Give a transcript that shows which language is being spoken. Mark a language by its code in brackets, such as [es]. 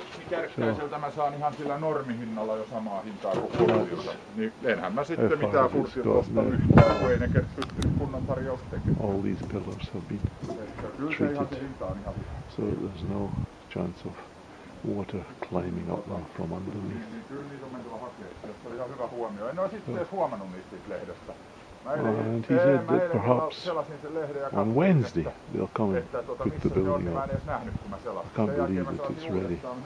[fi] Kärkkäiseltä so, mä saan ihan sillä normihinnalla jo samaa hintaa kuin kurjilta. Niin enhän mä sitten mitään kurjilta osta yhtään, kun ei ne pysty kunnan tarjous tekemään. [en] All these pillars have been treated. So there's no chance of water climbing up them from underneath. [fi] Niin, kyllä niitä on mentävä hakea. Se oli ihan hyvä huomio. En ole sitten edes huomannut niistä lehdestä. [en] And he said that perhaps on Wednesday they'll come and put the building up. I can't believe that it's ready.